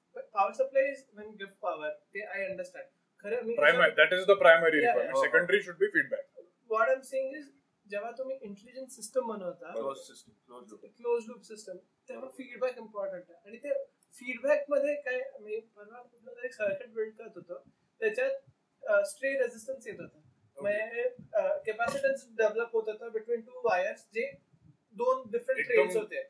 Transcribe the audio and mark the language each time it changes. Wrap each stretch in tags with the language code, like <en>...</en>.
<en>Power supply is when give power, ते I understand.</en> <mr>खरं मी</mr> <en>Primary, that is the primary requirement, secondary should be feedback. What I am saying is</en> <mr>जेव्हा तुम्ही intelligent system बनवता, close loop system, तेव्हा feedback important आहे. आणि ते feedback मध्ये काय, मी परवा कुठला एक सर्किट बिल्ड करत होतो, त्याच्यात स्ट्रे रेझिस्टन्स येत होता, कॅपॅसिटन्स डेव्हलप होत होता</mr> <en>between two wires,</en> <mr>जे दोन डिफरंट ट्रेन्स होते.</mr>